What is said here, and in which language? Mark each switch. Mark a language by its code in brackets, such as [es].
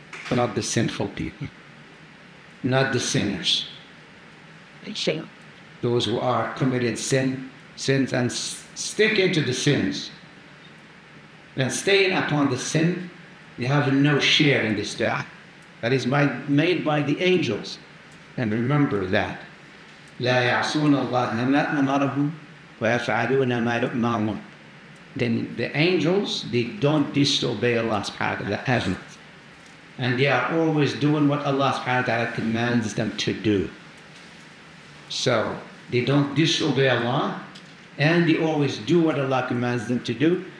[en] Not the sinful people, not the sinners. Shame. Those who are committed sins and stick into the sins and staying upon the sin, they have no share in this dua. That is made by the angels. And remember that. [ar] لا يعصون الله أمرهم ويفعلون ما يؤمرون. [en] Then the angels, they don't disobey Allah subhanahu wa ta'ala ever. And they are always doing what Allah subhanahu wa ta'ala commands them to do. So they don't disobey Allah, and they always do what Allah commands them to do.